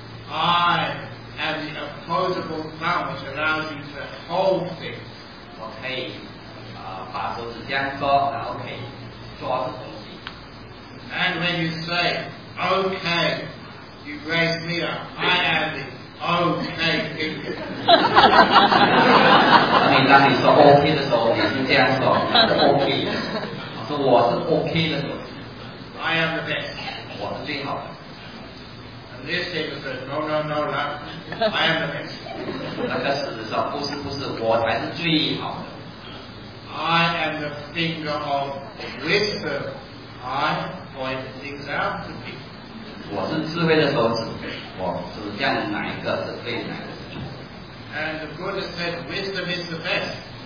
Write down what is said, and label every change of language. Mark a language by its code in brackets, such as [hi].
[en] I am the opposable thumb, which allows you to hold things. [zh] 我可以把手指这样做，然后可以抓住东西。 [en] And when you say, okay, you raise me up, I am the okay finger. [zh] 当你说 okay 的时候，你是这样说， okay 的，我说我是 okay 的。 [en] I am the best. [zh] 我是最好的。 [en] And this finger said, no, I am the best. [zh] 那个狮子说，不是，我才是最好的。 [en] I am the finger of wisdom. I point things out to me. [zh] 我是智慧的手指，我指向哪一个是对哪个。 [en] And the Buddha said, wisdom is the best.